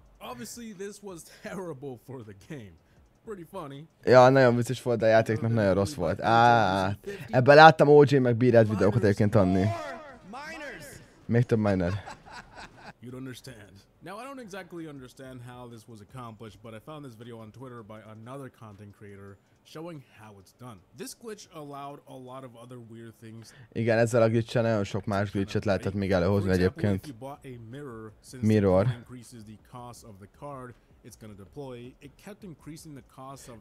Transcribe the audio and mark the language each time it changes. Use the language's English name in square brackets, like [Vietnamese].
[English] Obviously this was terrible for the game. [Hungarian] Ja, nagyon vicces volt, de a játéknak nagyon rossz volt. Ebben láttam OG meg B-Red videókat egyébként adni. Még több miner. [English] You don't understand. Now I don't exactly understand how this was accomplished, but I found this video on Twitter by another content creator showing how it's done. This glitch allowed a lot of other weird things. [Hungarian] Igen, ezzel a glitch-en nagyon sok más glitch-et lehetett még előhozni egyébként. [English] Mirror. Increases the cost of the card. It's gonna deploy. It kept increasing the cost of.